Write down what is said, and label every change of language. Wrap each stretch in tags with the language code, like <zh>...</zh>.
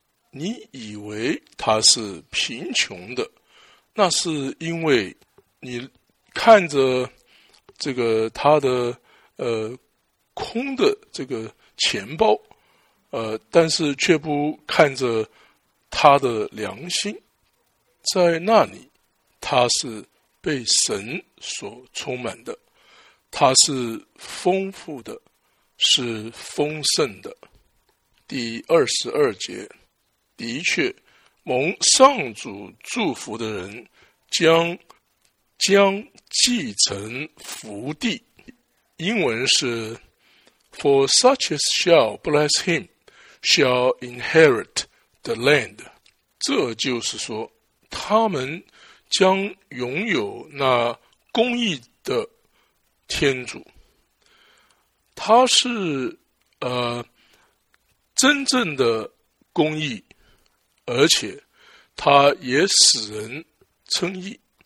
<zh>你以为他是贫穷的，那是因为你看着这个他的空的这个钱包，但是却不看着他的良心，在那里他是被神所充满的，他是丰富的，是丰盛的。第22节，的确蒙上主祝福的人将继承福地，英文是</zh> <en>For such as shall bless him shall inherit the land。</en> <zh>这就是说，他们将拥有那公义的天主，他是真正的公义，而且他也使人称义。</zh>